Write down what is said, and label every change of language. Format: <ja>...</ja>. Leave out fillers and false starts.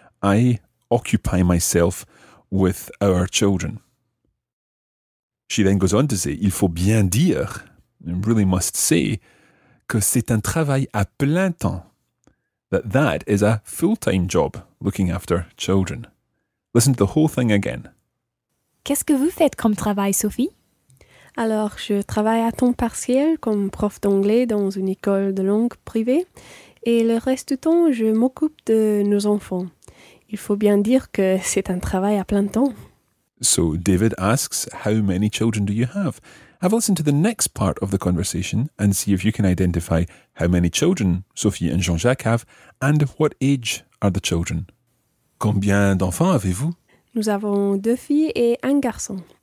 <en>I occupy myself with our children. She then goes on to say,</en> <fr>il faut bien dire,</fr> <en>and really must say,</en> <fr>que c'est un travail à plein temps.</fr> <en>That is a full-time job, looking after children. Listen to the whole thing again.</en> <fr>Qu'est-ce que vous faites comme travail, Sophie? Alors, je travaille à temps partiel comme prof d'anglais dans une école de langue privée et le reste du temps, je m'occupe de nos enfants. Il faut bien dire que c'est un travail à plein temps.</fr> <en>So, David asks, how many children do you have? Have a listen to the next part of the conversation and see if you can identify how many children Sophie and Jean-Jacques have and what age are the children.</en> <fr>Combien d'enfants avez-vous? Nous avons deux filles et un garçon.</fr>